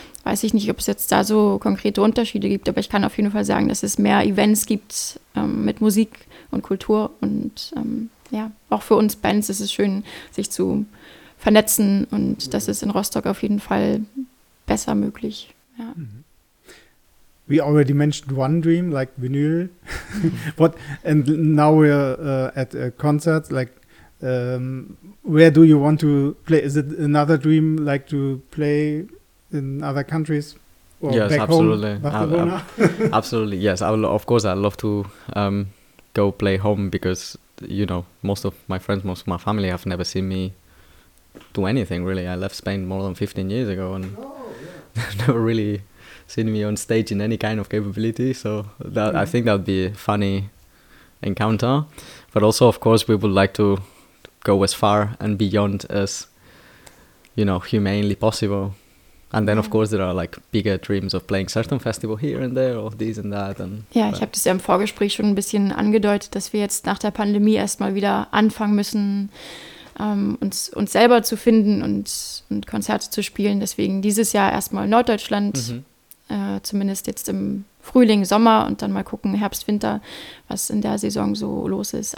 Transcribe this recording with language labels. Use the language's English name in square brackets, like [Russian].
[German] Weiß ich nicht, ob es jetzt da so konkrete Unterschiede gibt, aber ich kann auf jeden Fall sagen, dass es mehr Events gibt mit Musik und Kultur und ja, auch für uns Bands ist es schön, sich zu vernetzen und das ist in Rostock auf jeden Fall besser möglich. Ja. [English] We already mentioned one dream, like vinyl. What, and now we're at a concert, like where do you want to play? Is it another dream, like to play in other countries? Or yes, back absolutely. Home, absolutely, yes. I'd love to go play home because you know, most of my friends, most of my family have never seen me do anything, really. I left Spain more than 15 years ago and never really seen me on stage in any kind of capability. So that I think that'd be a funny encounter. But also, of course, we would like to go as far and beyond as, you know, humanely possible. And then, of course, there are like bigger dreams of playing certain festival here and there or this and that. And [German] ja, ich habe das ja im Vorgespräch schon ein bisschen angedeutet, dass wir jetzt nach der Pandemie erstmal wieder anfangen müssen, uns selber zu finden und Konzerte zu spielen. Deswegen dieses Jahr erstmal Norddeutschland, zumindest jetzt im Frühling, Sommer und dann mal gucken, Herbst, Winter, was in der Saison so los ist.